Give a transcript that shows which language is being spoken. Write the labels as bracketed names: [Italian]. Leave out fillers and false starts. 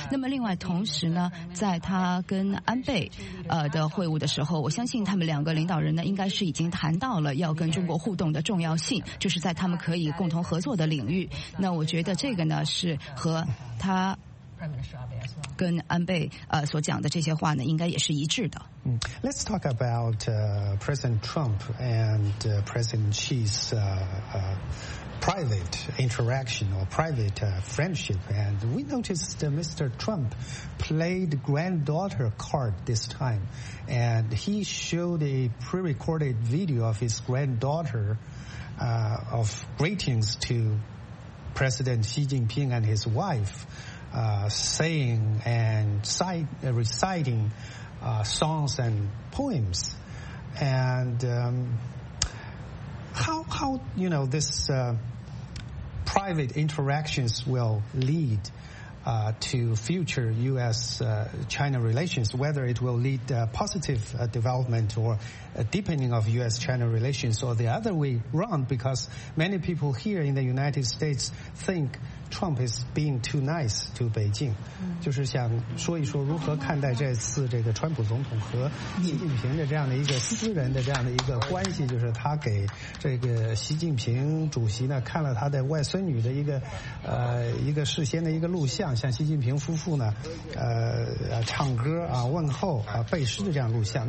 [Chinese] 那么另外同时呢，在他跟安倍的会晤的时候，我相信他们两个领导人呢应该是已经谈到了要跟中国互动的重要性，就是在他们可以共同合作的领域。那我觉得这个呢是和他跟安倍所讲的这些话呢应该也是一致的。 [English] Let's talk about President Trump and President Xi's private interaction or private friendship. And we noticed that Mr. Trump played granddaughter card this time. And he showed a pre-recorded video of his granddaughter of greetings to President Xi Jinping and his wife. Saying and reciting songs and poems. And how you know, this private interactions will lead to future U.S.-China relations, whether it will lead positive development or deepening of U.S.-China relations or the other way around, because many people here in the United States think,Trump is being too nice to Beijing. [Chinese] 就是想说一说如何看待这次这个川普总统和习近平的这样的一个私人的这样的一个关系，就是他给这个习近平主席呢看了他的外孙女的一个事先的一个录像，像习近平夫妇呢唱歌啊问候啊背诗的这样录像。